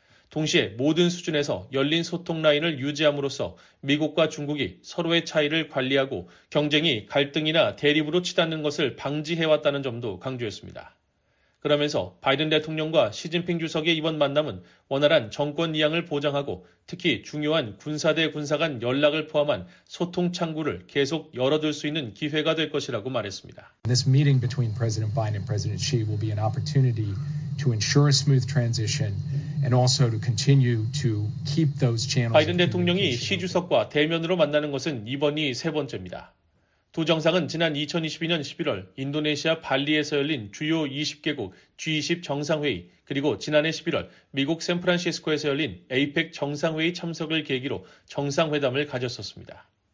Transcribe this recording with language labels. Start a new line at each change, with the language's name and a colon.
Korean: 동시에 모든 수준에서 열린 소통 라인을 유지함으로써 미국과 중국이 서로의 차이를 관리하고 경쟁이 갈등이나 대립으로 치닫는 것을 방지해왔다는 점도 강조했습니다. 그러면서 바이든 대통령과 시진핑 주석의 이번 만남은 원활한 정권 이양을 보장하고 특히 중요한 군사대 군사 간 연락을 포함한 소통 창구를 계속 열어둘 수 있는 기회가 될 것이라고 말했습니다.
English: This meeting between President Biden and President Xi will be an opportunity to ensure a smooth transition and also to continue to keep those channels.
Korean: 바이든 대통령이 시 주석과 대면으로 만나는 것은 이번이 세 번째입니다. 두 정상은 지난 2022년 11월 인도네시아 발리에서 열린 주요 20개국 G20 정상회의 그리고 지난해 11월 미국 샌프란시스코에서 열린 APEC 정상회의 참석을 계기로 정상회담을 가졌었습니다.